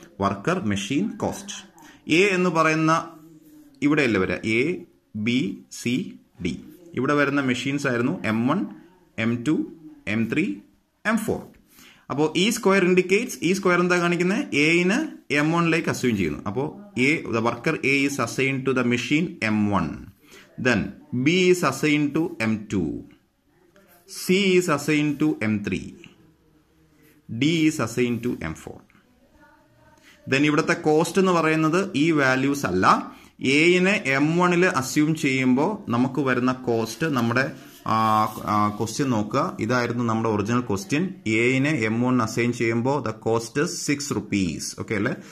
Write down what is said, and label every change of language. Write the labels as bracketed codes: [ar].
[ml] Worker, machine, cost. A എന്ന് പറയുന്ന ഇവിടെ അല്ലേ വരിക, എ ബി സി ഡി. ഇവിടെ വരുന്ന മെഷീൻസ് ആയിരുന്നു M1 M2 M3 M4. അപ്പോൾ ഈ സ്ക്വയർ ഇൻഡിക്കേറ്റ്സ്, ഈ സ്ക്വയർ എന്താ കാണിക്കുന്നത്, എയിന് M1 അസ്യൂം ചെയ്യുന്നു. അപ്പോൾ A, [en] The worker A is assign to the machine M1. Then B is assigned to M2, C is assigned to M3, D is assigned to M4. [ml] Then ഇവിടുത്തെ cost എന്ന് പറയുന്നത് ഈ values അല്ല, എയിനെ M1 assume ചെയ്യുമ്പോൾ നമുക്ക് വരുന്ന cost. നമ്മുടെ question നോക്കുക, ഇതായിരുന്നു നമ്മുടെ ഒറിജിനൽ ക്വസ്റ്റ്യൻ. എയിനെ M1 അസൈൻ ചെയ്യുമ്പോൾ [en] the cost is 6 rupees, [ml] okay അല്ലേ.